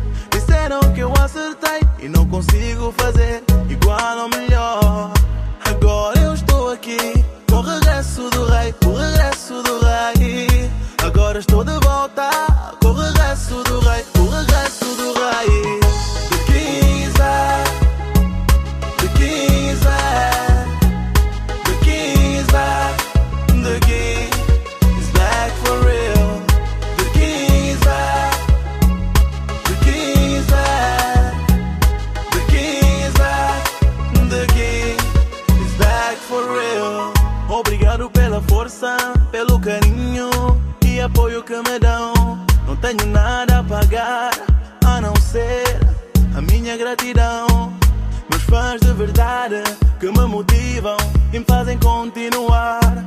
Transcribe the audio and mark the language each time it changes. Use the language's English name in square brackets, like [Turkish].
[Portuguese] Disseram que eu acertei e não consigo fazer igual ou melhor. Agora eu estou aqui com o regresso do rei, o regresso do rei. Agora estou de volta com o regresso do rei, o regresso do rei. [English] The King's back, the King's back, the King's back, the King is back for real. The King's back, the King's back, the King's back, the King is back for real. [Portuguese] Obrigado pela força, pelo carinho, apoio que me dão. Não tenho nada a pagar a não ser a minha gratidão. Meus fãs de verdade que me motivam e me fazem continuar.